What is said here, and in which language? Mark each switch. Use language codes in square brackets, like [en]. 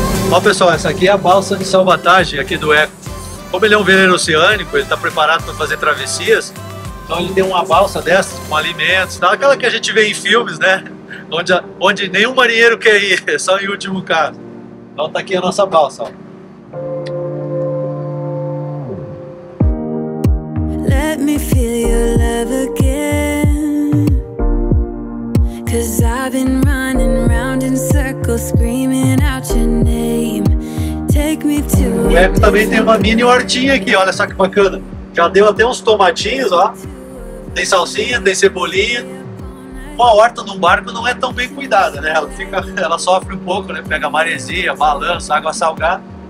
[pt] Ó, pessoal, essa aqui é a balsa de salvatagem aqui do Eco. Como ele é um veleiro oceânico, ele está preparado para fazer travessias. Então ele tem uma balsa dessas com alimentos, tal, aquela que a gente vê em filmes, né? onde nenhum marinheiro quer ir, só em último caso. Então tá aqui a nossa balsa. [en] Let me feel your love again. Cause I've been running round in circles, screaming out your name. Take me to. [pt] O Eco também tem uma mini hortinha aqui, olha só que bacana. Já deu até uns tomatinhos, ó. Tem salsinha, tem cebolinha. Uma horta num barco não é tão bem cuidada, né? Ela sofre um pouco, né? Pega maresia, balança, água salgada.